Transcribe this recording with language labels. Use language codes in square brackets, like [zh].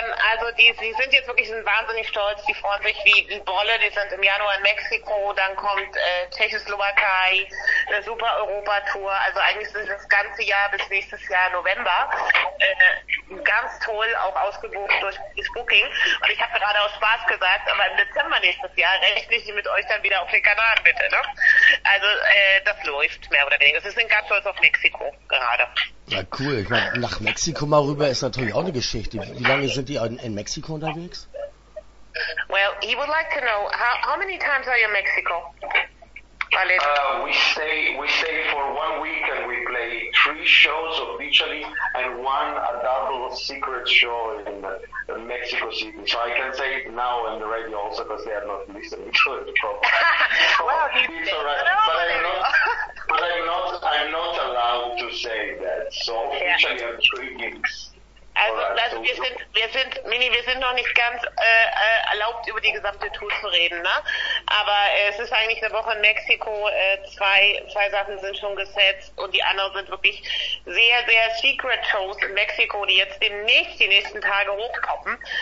[de] Also die sind jetzt wirklich wahnsinnig stolz, die freuen sich wie Bolle, die sind im Januar in Mexiko, dann kommt Tschechoslowakei, eine super Europa-Tour, also eigentlich ist das ganze Jahr bis nächstes Jahr November ganz toll, auch ausgebucht durch das Booking. Und ich habe gerade aus Spaß gesagt, aber im Dezember nächstes Jahr rechne ich mit euch dann wieder auf den Kanaren, bitte, ne? Also, das läuft mehr oder weniger. Sie sind ganz stolz auf Mexiko gerade. Na cool, ich meine, nach Mexiko mal rüber ist natürlich auch eine Geschichte. Wie lange sind die in Mexiko unterwegs? [en] Well, he would like to know, how many times are you in Mexico? We stay for 1 week and we play 3 shows officially and 1 a double secret show in Mexico City. So I can say it now on the radio also because they are not listening to it properly. Wow, it's all right. But I'm not allowed to say that. So officially I'm 3 gigs. [de] Also wir sind Mini, wir sind noch nicht ganz erlaubt, über die gesamte Tour zu reden, ne? Aber es ist eigentlich eine Woche in Mexiko, zwei Sachen sind schon gesetzt und die anderen sind wirklich sehr, sehr secret Shows in Mexiko, die jetzt demnächst die nächsten Tage hochkommen.